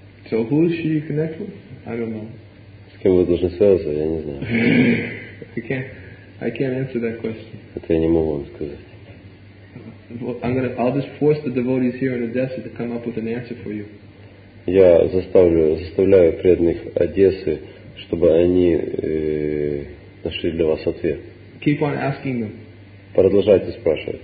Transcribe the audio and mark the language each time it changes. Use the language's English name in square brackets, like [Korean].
[English] So who should you connect with? I don't know. [Russian] С кем вы должны связаться, я не знаю. [English] I can't answer that question. [Russian] Это я не могу вам сказать. [English] Well, I'll just force the devotees here in Odessa to come up with an answer for you. [Russian] Я заставляю преданных Одессы, чтобы они нашли для вас ответ. [English] Keep on asking them. [Russian] Продолжайте спрашивать.